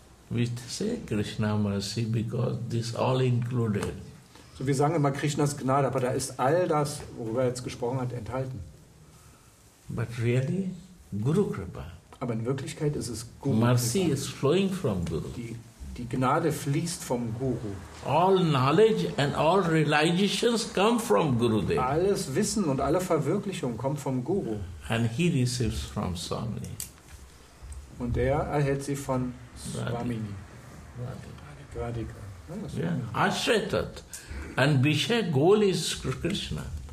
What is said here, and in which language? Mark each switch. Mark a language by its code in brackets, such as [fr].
[en] We say Krishna mercy because this all included. [de] So wir sagen immer Krishnas Gnade, aber da ist all das, worüber er jetzt gesprochen hat, enthalten. [en] But really, Guru Kripa. [de] Aber in Wirklichkeit ist es Guru. [en] Mercy is flowing from Guru. [de] Die Gnade fließt vom Guru. [en] All knowledge and all realizations come from Gurudev. [de] Alles Wissen und alle Verwirklichung kommt vom Guru. [en] And he receives from Swami. [de] Und er erhält sie von Swamini. [en] Radhika. Ashretat. And Bishay goal is Krishna.